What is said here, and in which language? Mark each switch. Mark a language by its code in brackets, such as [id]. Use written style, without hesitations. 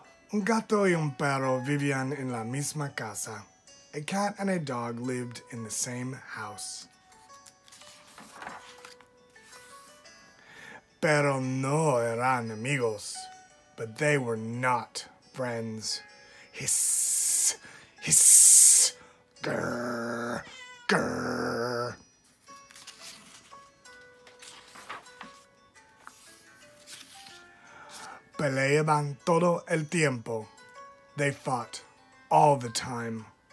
[es] Un gatto e un perro vivían en la misma casa. [en] A cat and a dog lived in the same house. [es] Pero no eran amigos. [en] But they were not friends. Hiss, hiss, grrr, grrr. [es] Peleaban todo el tiempo. [en] They fought all the time.